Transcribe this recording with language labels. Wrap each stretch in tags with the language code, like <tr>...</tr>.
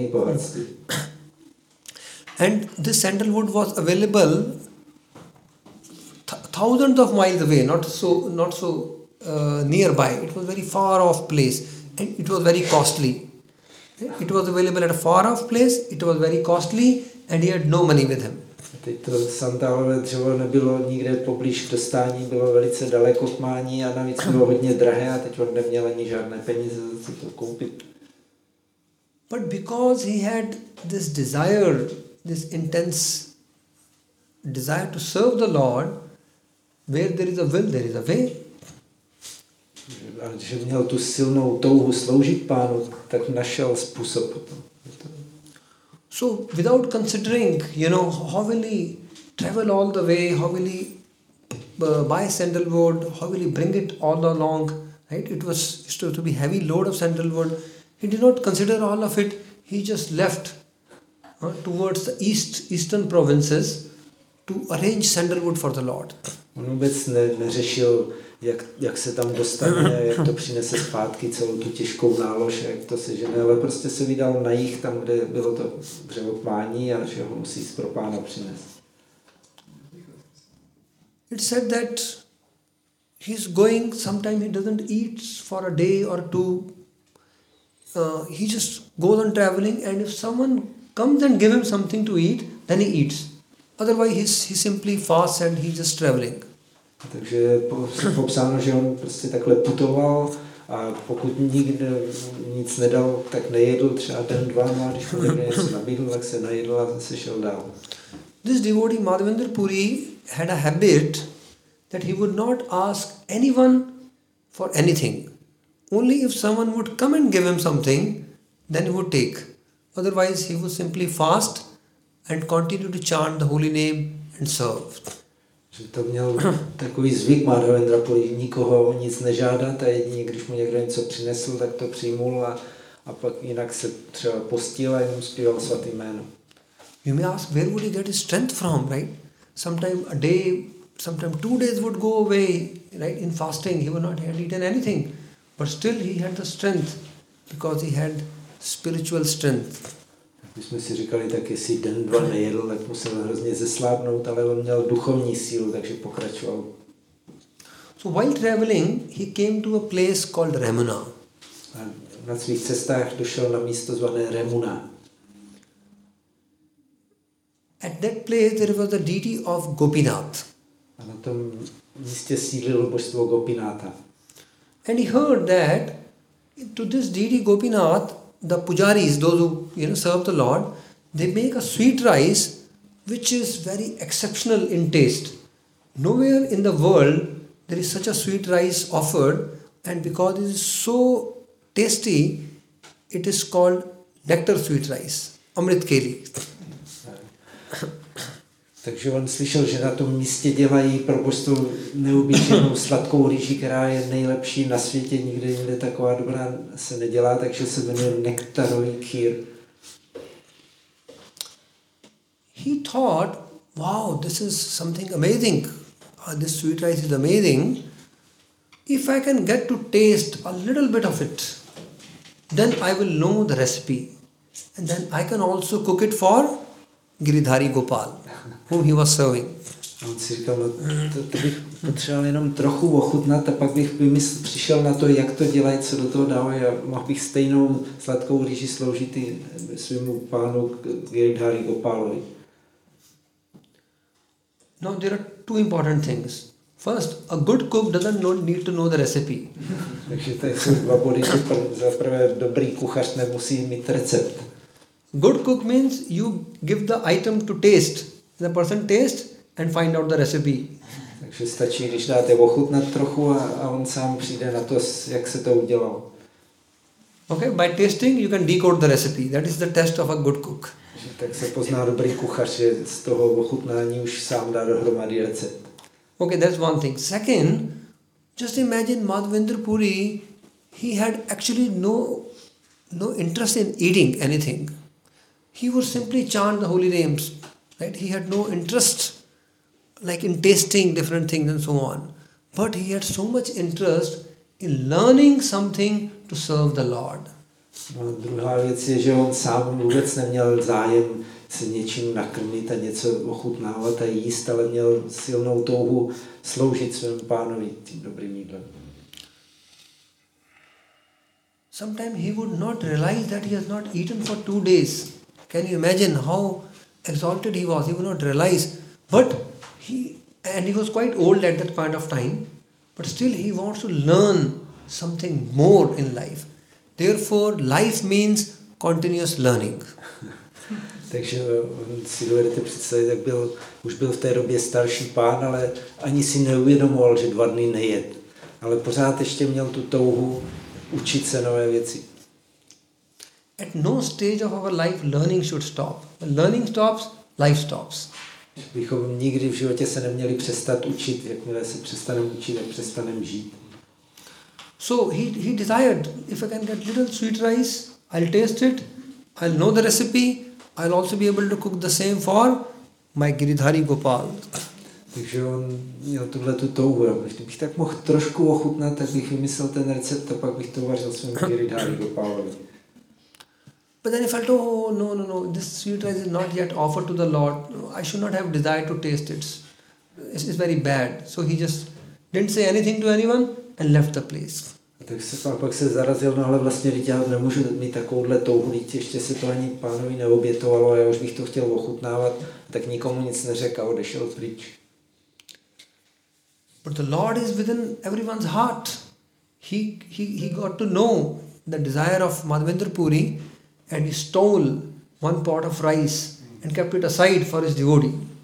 <en>And this sandalwood was available thousands of miles away, not so nearby. It was very far off place, and it was very costly. It was available at a far off place. It was very costly, and he had no money with him.</en> <cs>Teď to santálové dřevo nebylo nikde poblíž k dostání, bylo velice daleko k mání a navíc bylo hodně drahé a teď on neměl ani žádné peníze za to koupit.</cs> <en>But because he had this desire, this intense desire to serve the Lord, where there is a will, there is a way.</en> <cs>Ale že měl tu silnou touhu sloužit pánu, tak našel způsob potom.</cs> <en>So without considering, you know, how will he travel all the way, how will he buy sandalwood, how will he bring it all along, right? It was supposed to be heavy load of sandalwood. He did not consider all of it. He just left towards the eastern provinces to arrange sandalwood for the Lord.</en> <cs>On vůbec neřešil, jak se tam dostane, jak to přinese zpátky, celou tu těžkou nálož, jak to se žene, ale prostě se vydal na jich, tam, kde bylo to dřevo k mání a že ho musí pro pána přinést.</cs> <en>It said that he's going, sometime he doesn't eat for a day or two. He just goes on traveling, and if someone comes and gives him something to eat, then he eats. Otherwise, he simply fasts and he's just traveling.</en> <cs>Takže popsáno, že on prostě takhle putoval a pokud nikdo nic nedal, tak nejedl třeba den, dva, a když mu někdo něco nabídl, tak se najedl a zase šel dál.</cs> <en>This devotee Madhavendra Puri had a habit that he would not ask anyone for anything. Only if someone would come and give him something, then he would take. Otherwise, he would simply fast and continue to chant the holy name and serve.</en> <cs>Že to měl takový zvyk Madhavendra Puri, nikoho nic nežádat a jedině, když mu někdo něco přinesl, tak to přijmul a pak jinak se třeba postil a jenom zpíval svatý jméno.</cs> <en>You may ask, where would he get his strength from, right? Sometime a day, sometime 2 days would go away, right? In fasting, he would not have eaten anything. But still he had the strength, because he had spiritual strength.</en> <cs>My jsme si říkali, tak jestli den, dva nejedl, tak musel hrozně zeslábnout, ale on měl duchovní sílu, takže pokračoval.</cs> <en>So while traveling, he came to a place called Ramuna.</en> <cs>A na svých cestách došel na místo zvané Ramuna.</cs> <en>At that place there was the deity of Gopinath.</en> <cs>A na tom místě sídlilo božstvo Gopinatha.</cs> <en>And he heard that to this deity Gopinath, the pujaris, those who you know serve the Lord, they make a sweet rice which is very exceptional in taste. Nowhere in the world there is such a sweet rice offered, and because it is so tasty, it is called nectar sweet rice, Amrit Keli.</en> <cs>Takže on slyšel, že na tom místě dělají pro božstvo neobyčejnou sladkou rýži, která je nejlepší na světě, nikde jinde taková dobrá se nedělá, takže se jmenuje nektarový kýr.</cs> <en>He thought, wow, this is something amazing. This sweet rice is amazing. If I can get to taste a little bit of it, then I will know the recipe. And then I can also cook it for Giridhari Gopal, whom he was serving.</en> <cs>On si říkal, no, to bych potřeboval jenom trochu ochutnat a pak bych přišel na to, jak to dělají, co do toho dávají a mohl bych stejnou sladkou rýži sloužit i svému pánu Giridhari Gopalovi.</cs> <en>Now there are two important things. First, a good cook doesn't need to know the recipe.</en> <cs>Takže to jsou dva body. Za prvé, dobrý kuchař nemusí mít recept.</cs> <en>Good cook means you give the item to taste. The person tastes and find out the recipe.</en> <cs>Takže stačí, když dáte ochutnat trochu a on sám přijde na to, jak se to udělalo.</cs> <en>Okay, by tasting you can decode the recipe. That is the test of a good cook.</en> <cs>Tak se pozná dobrý kuchař, že z toho ochutnání už sám dá dohromady recept.</cs> <en>Okay, that's one thing. Second, just imagine Madhavendra Puri, he had actually no interest in eating anything. He would simply chant the holy names, right? He had no interest like in tasting different things and so on. But he had so much interest in learning something to serve the Lord.</en> <cs>No, druhá věc je, že on sám vůbec neměl zájem se něčím nakrmit a něco ochutnávat a jíst, ale měl silnou touhu sloužit svému pánovi tím dobrým jídlem.</cs> <en>Sometimes he would not realize that he has not eaten for 2 days. Can you imagine how exalted he was? He would not realize. But he was quite old at that point of time. But still he wants to learn something more in life. Therefore, life means continuous learning.</en> <cs>Takže on si dovedete představit, jak byl, už byl v té době starší pán, ale ani si neuvědomoval, že 2 dny nejed. Ale pořád ještě měl tu touhu učit se nové věci.</cs> <en>At no stage of our life, learning should stop. When learning stops, life stops.</en> <cs>Bychom nikdy v životě se neměli přestat učit. Jakmile se přestaneme učit, tak přestaneme žít.</cs> <en>So he desired, if I can get little sweet rice, I'll taste it, I'll know the recipe, I'll also be able to cook the same for my Giridhari Gopal.</en> <cs>Takže on měl tuhle tu touhu. Kdybych tak mohl trošku ochutnat, tak bych vymyslel ten recept a pak bych to vařil svým Giridhari Gopalovi.</cs> <en>But then he felt, oh, no, this sweet rice is not yet offered to the Lord. I should not have desire to taste it. is very bad. So he just didn't say anything to anyone and left the place.</en> <cs>Tak se pán pak se zarazil, no ale vlastně já nemůžu mít takovouhle touhu, když ještě se to ani pánovi neobětovalo a já už bych to chtěl ochutnávat, tak nikomu nic neřekl a odešel pryč.</cs> <en>But the Lord is within everyone's heart. He got to know the desire of Madhavendra Puri and he stole one pot of rice and kept it aside for his devotee.</en>